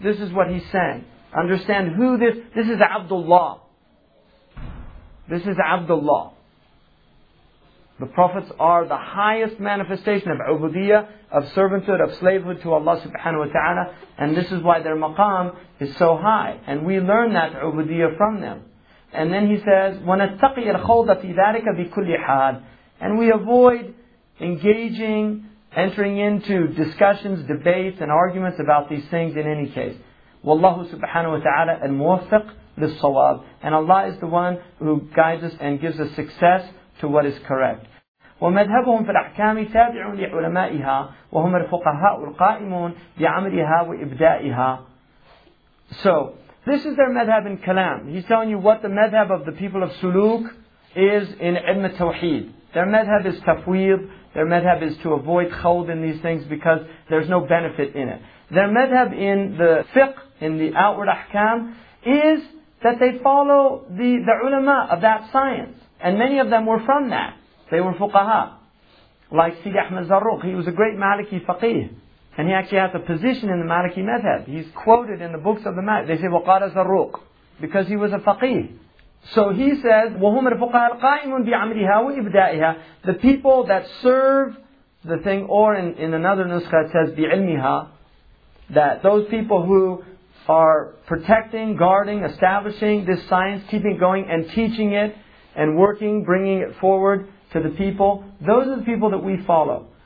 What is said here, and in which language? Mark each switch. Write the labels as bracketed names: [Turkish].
[English] This is what he's saying. Understand who this... This is Abdullah. This is Abdullah. The prophets are the highest manifestation of ubudiyyah, of servanthood, of slavehood to Allah subhanahu wa ta'ala. And this is why their maqam is so high. And we learn that ubudiyyah from them. [Arabic] And then he says, وَنَتَّقِيَ الْخَوْضَ فِي ذَلِكَ بِكُلِّ حَادٍ. [English] And we avoid engaging, entering into discussions, debates, and arguments about these things in any case. [Arabic] وَاللَّهُ سُبْحَانَهُ وَتَعَالَى الْمُوَفِّقُ لِلصَّوَابِ. [English] And Allah is the one who guides us and gives us success to what is correct. [Arabic] ومذهبهم في الأحكام تابع لعلمائها وهم الفقهاء القائمون بعملها وإبدائها. [English] So, this is their madhab in kalam. He's telling you what the madhab of the people of Suluk is in Ilm al-Tawheed. Their madhab is tafwid. Their madhab is to avoid khawd in these things because there's no benefit in it. Their madhab in the fiqh, in the outward ahkam, is that they follow the ulama of that science. And many of them were from that. They were fuqaha. Like Sidi Ahmad Zarruq, he was a great Maliki faqih. And he actually has a position in the Maliki madhab. He's quoted in the books of the Maliki. They say, [Arabic] وَقَالَ [English] Zarruq. Because he was a faqih. So he says, [Arabic] وَهُمَ الْفُقَهَا الْقَائِمُونَ بِعَمْرِهَا وَإِبْدَائِهَا. [English] The people that serve the thing, or in another nuskha it says, بِعِلْمِهَا. That those people who are protecting, guarding, establishing this science, keeping it going and teaching it, and working, bringing it forward to the people, those are the people that we follow.